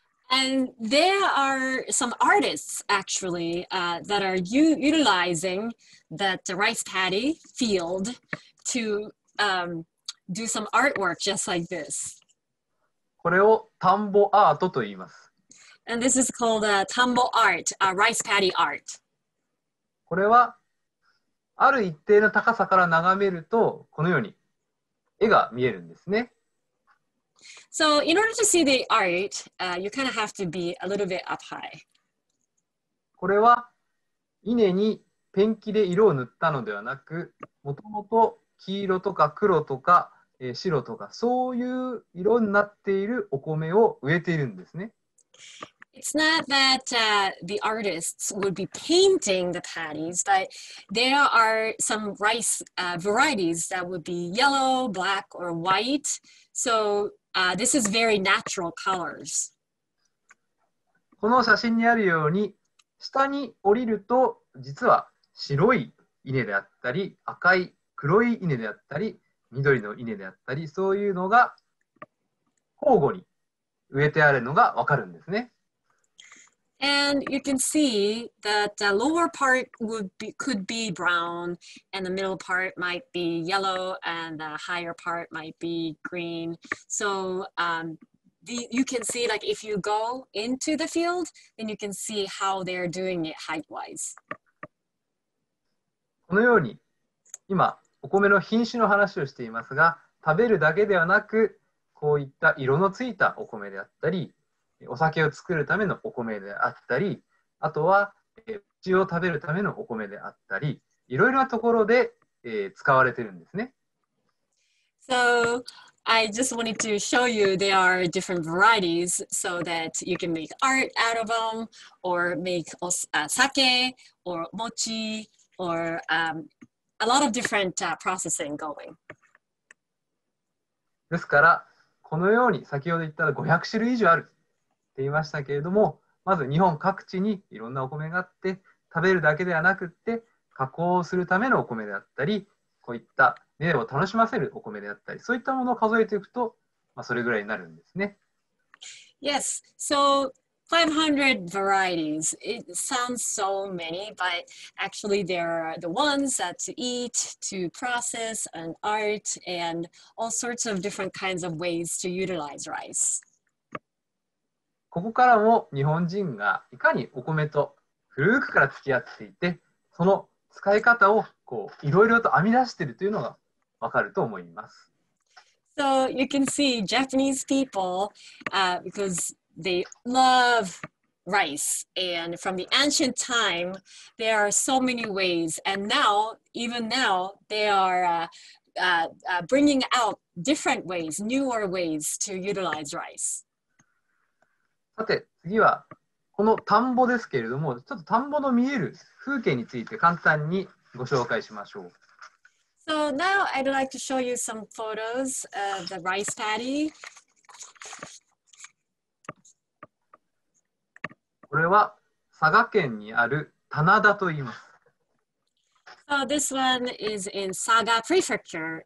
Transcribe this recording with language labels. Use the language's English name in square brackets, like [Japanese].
[English] And there are some artists actually that are utilizing that rice paddy field to do some artwork just like this. [Japanese] これを田んぼアートと言います。 [English] And this is called a tambo art, a rice paddy art. [Japanese] これはある一定の高さから眺めるとこのように絵が見えるんですね。 [English] So, in order to see the art, you kind of have to be a little bit up high. [Japanese] これは稲にペンキで色を塗ったのではなく、もともと黄色とか黒とか、白とか、そういう色になっているお米を植えているんですね。 [English] It's not that the artists would be painting the paddies, but there are some rice varieties that would be yellow, black, or white. So,this is very natural colors. [Japanese] この写真にあるように、下に降りると、実は白い稲であったり、赤い黒い稲であったり、緑の稲であったり、そういうのが交互に植えてあるのがわかるんですね。 [English] And you can see that the lower part could be brown, and the middle part might be yellow, and the higher part might be green. So you can see, like, if you go into the field, then you can see how they're doing it height-wise. [Japanese] このように、今、お米の品種の話をしていますが、食べるだけではなく、こういった色のついたお米であったり、お酒を作るためのお米であったり、あとは牛を食べるためのお米であったり、いろいろなところで、使われているんですね。 [English] So, I just wanted to show you there are different varieties so that you can make art out of them, or make sake, or mochi, or a lot of different processing going. [Japanese] ですから、このように先ほど言ったら500種類以上ある。って言いましたけれども、まず日本各地にいろんなお米があって、食べるだけではなくって、加工をするためのお米であったり、こういった目を楽しませるお米であったり、そういったものを数えていくと、まあ、それぐらいになるんですね。 [English] Yes, so 500 varieties. It sounds so many, but actually there are the ones that to eat, to process, and art, and all sorts of different kinds of ways to utilize rice. [Japanese] ここからも日本人がいかにお米と古くから付き合っていて、その使い方をこういろいろと編み出しているというのがわかると思います。 [English] So you can see Japanese people, because they love rice, and from the ancient time, there are so many ways, and now, even now, they are bringing out different ways, newer ways to utilize rice. [Japanese] さて、次はこの田んぼですけれども、ちょっと田んぼの見える風景について簡単にご紹介しましょう。 [English] So now I'd like to show you some photos of the rice paddy. [Japanese] これは佐賀県にある棚田と言います。 [English] So this one is in Saga Prefecture.